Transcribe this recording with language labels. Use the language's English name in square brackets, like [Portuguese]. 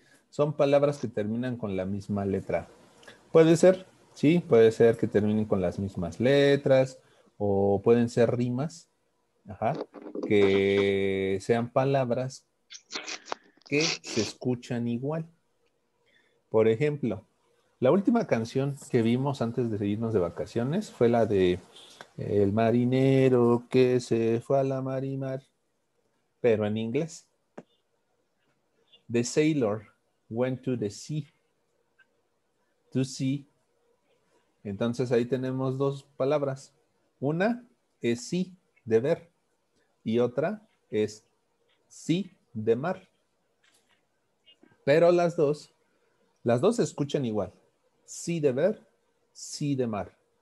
[Spanish] Son palabras que terminan con la misma letra. Puede ser, sí, puede ser que terminen con las mismas letras o pueden ser rimas, ajá, que sean palabras que se escuchan igual. Por ejemplo, la última canción que vimos antes de irnos de vacaciones fue la de... El marinero que se fue a la mar y mar, pero en inglés. [English] The sailor went to the sea, to sea. [Spanish] Entonces ahí tenemos dos palabras. Una es sí, de ver, y otra es sí, de mar. Pero las dos se escuchan igual. Sí, de ver, sí, de mar.